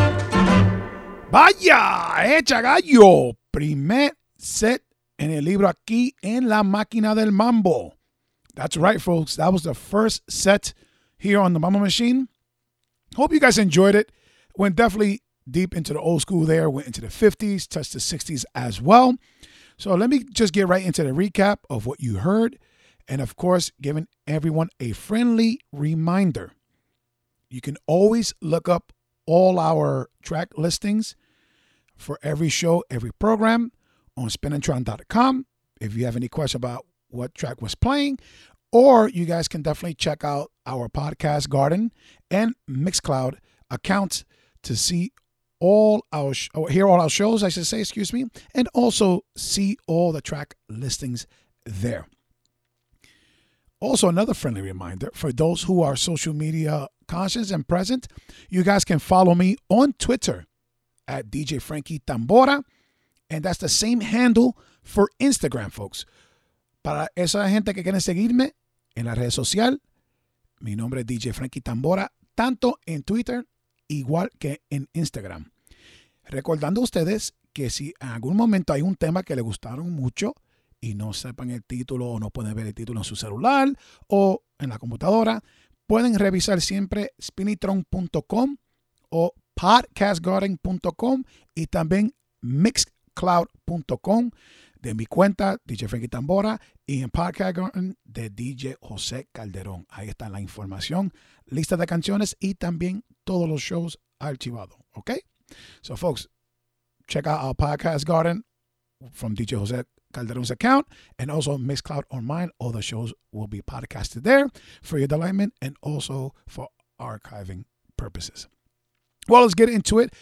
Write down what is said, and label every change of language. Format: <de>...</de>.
<es>Chagallo, primer set en el libro aquí en La Máquina del Mambo.</es> <en>That's right, folks. That was the first set here on the Mambo Machine. Hope you guys enjoyed it. Went definitely deep into the old school there. Went into the 50s, touched the 60s as well. So let me just get right into the recap of what you heard. And of course, giving everyone a friendly reminder. You can always look up all our track listings for every show, every program on spinandtron.com. If you have any questions about what track was playing, or you guys can definitely check out our podcast garden and Mixcloud accounts to see all our, hear all our shows, and also see all the track listings there. Also, another friendly reminder for those who are social media conscious and present, you guys can follow me on Twitter at DJ Frankie Tambora, and that's the same handle for Instagram, folks.</en> <es>Para esa gente que quiere seguirme en la red social, mi nombre es DJ Frankie Tambora, tanto en Twitter igual que en Instagram. Recordando a ustedes que si en algún momento hay un tema que le gustaron mucho y no sepan el título o no pueden ver el título en su celular o en la computadora, pueden revisar siempre spinitron.com o podcastgarden.com y también mixcloud.com de mi cuenta DJ Frankie Tambora y en Podcast Garden de DJ José Calderón. Ahí está la información, lista de canciones y también todos los shows archivados.</es> <en>Okay, so folks, check out our Podcast Garden from DJ José Calderón's account and also Mixcloud on mine. All the shows will be podcasted there for your delightment and also for archiving purposes. Well, let's get into it.</en>